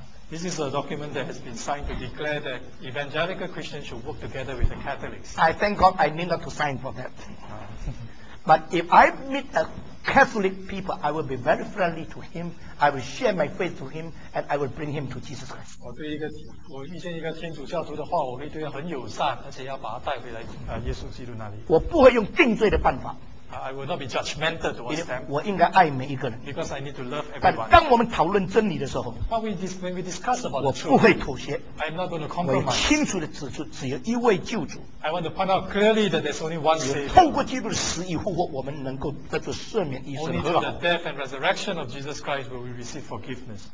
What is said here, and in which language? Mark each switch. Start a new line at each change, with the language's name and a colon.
English: This is a document that has been signed to declare that Evangelical Christians should work together with the Catholics. I thank God I need not to sign for that. But if I meet a Catholic people, I will be very friendly to him. I will share my faith to him, and I will bring him to Jesus Christ.
Chinese: 我对一个天主教徒的话，我会对他很友善，而且要把他带回来耶稣基督那里。我不会用定罪的办法。
English: I will not be judgmental towards them.
Chinese: 我应该爱每一个人。
English: Because I need to love everyone.
Chinese: 但当我们讨论真理的时候，
English: when we discuss about the truth,
Chinese: 我不会妥协。
English: I'm not going to compromise.
Chinese: 我清楚地指出只有一位救主。
English: I want to point out clearly that there's only one Savior.
Chinese: 透过基督的死与复活，我们能够得到赦免、医治和好。
English: Only through the death and resurrection of Jesus Christ will we receive forgiveness.